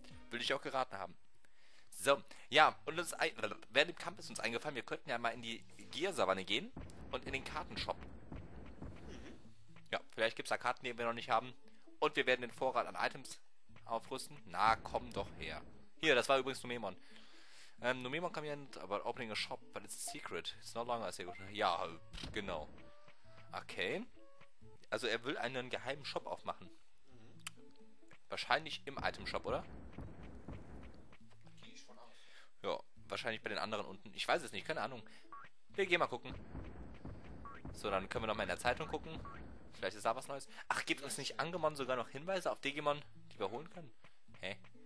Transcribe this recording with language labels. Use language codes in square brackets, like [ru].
[de] Würde ich auch geraten haben. So, ja, und uns, während dem Kampf ist uns eingefallen, wir könnten ja mal in die Giersavanne gehen und in den Kartenshop. Ja, vielleicht gibt es da Karten, die wir noch nicht haben. Und wir werden den Vorrat an Items aufrüsten. Na, komm doch her. Hier, das war übrigens Numemon. [en] Numemon [de] kam hier, aber [en] opening a shop, but it's a secret. It's no longer a secret. [de] Ja, genau. [en] Okay. [de] Also er will einen geheimen Shop aufmachen. Wahrscheinlich im Itemshop, oder? Ja, wahrscheinlich bei den anderen unten. Ich weiß es nicht, keine Ahnung. Wir gehen mal gucken. So, dann können wir noch mal in der Zeitung gucken. Vielleicht ist da was Neues. Ach, gibt uns nicht Angemon sogar noch Hinweise auf Digimon, die wir holen können? Hä?